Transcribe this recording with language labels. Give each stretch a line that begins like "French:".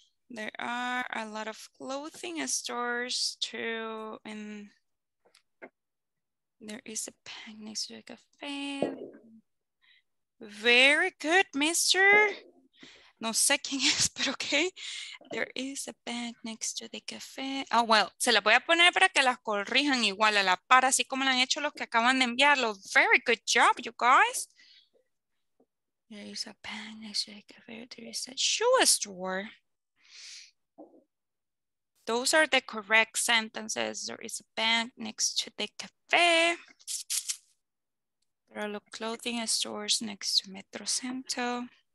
English: There are a lot of clothing stores too. And there is a bank next to the cafe. Very good,
Spanish: Mr. No sé quién es, pero ok.
English: There is a bag next to the cafe.
Spanish: Oh, well, se la voy a poner para que las corrijan igual a la par, así como la han hecho los que acaban de enviarlo.
English: Very good job, you guys. There is a bag next to the cafe. There is a shoe store. Those are the correct sentences. There is a bag next to the cafe. There are clothing stores next to Metro Centro.